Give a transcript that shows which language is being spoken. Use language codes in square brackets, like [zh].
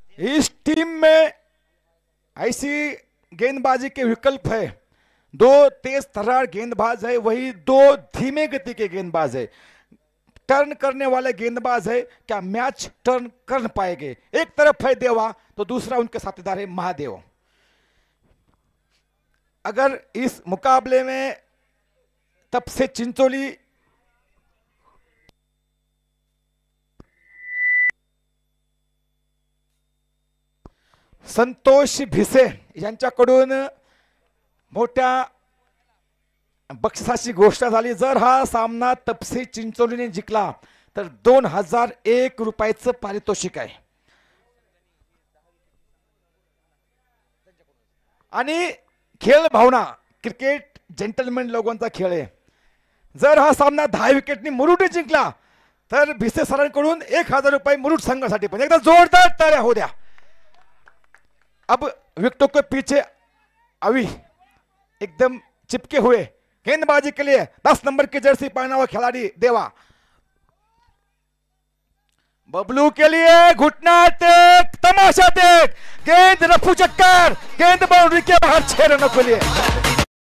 [hi] इस टीम में ऐसी गेंदबाजी के विकल्प है, दो तेज तर्रार गेंदबाज है, वही दो धीमे गति के गेंदबाज है, टर्न करने वाले गेंदबाज है, क्या मैच टर्न कर पाएंगे? एक तरफ है देवा तो दूसरा उनके साथीदार है महादेव। [mr] अगर इस मुकाबले में तब से चिंचोली संतोष भिसे यांच्याकडून मोठ्या बक्षिसाची घोषणा झाली, जर हा सामना तपसी चिंचोलीने जिंकला तर 2001 रुपयाचं पारितोषिक आहे। आणि खेळ भावना, क्रिकेट जेंटलमॅन लोगोंचा खेळ आहे, जर हा सामना 10 विकेटने मुरुट जिंकला तर भिसे सरांकडून 1000 रुपये मुरुट संघासाठी। पण एकदा जोरदार तळ्या होऊ द्या। [hi] अब विकेटों के पीछे अभी एकदम चिपके हुए गेंदबाजी के लिए 10 नंबर की जर्सी पहना हुआ खिलाड़ी देवा, बबलू के लिए घुटना टेक, तमाशा टेक, गेंद रफू चक्कर, गेंद बाउंड्री के बाहर 6 रनों के लिए।